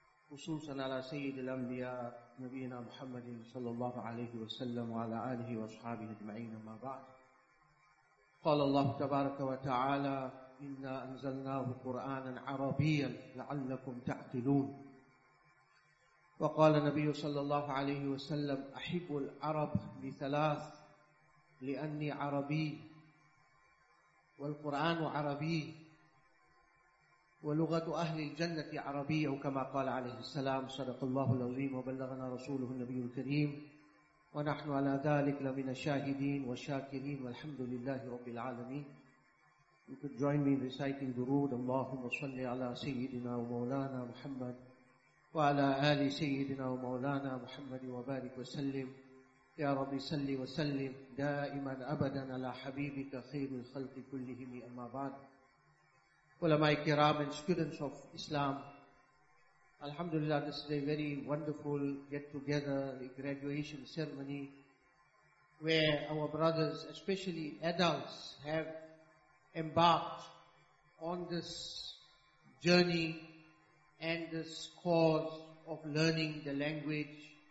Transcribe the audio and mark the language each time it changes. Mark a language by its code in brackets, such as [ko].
[ar] خصوصا على سيد الانبياء نبينا محمد صلى الله عليه وسلم وعلى اله واصحابه اجمعين ما بعد قال الله تبارك وتعالى انا انزلناه قرانا عربيا لعلكم تعقلون وقال النبي صلى الله عليه وسلم احب العرب لثلاث لأني عربي والقرآن عربي ولغة أهل الجنة عربية كما قال عليه السلام صدق الله العظيم وبلغنا رسوله النبي الكريم ونحن على ذلك لمن الشاهدين والشاكرين والحمد لله رب العالمين. [en] You could join me in reciting درود. [ar] اللهم صل على سيدنا ومولانا محمد وعلى آل سيدنا ومولانا محمد وبارك وسلم يا رب صل وسلم دائما ابدا على حبيبك خير الخلق كلهم اما بعد. علماء الكرام [en] and students of Islam, alhamdulillah, this is a very wonderful get together, a graduation ceremony where our brothers, especially adults, have embarked on this journey and this cause of learning the language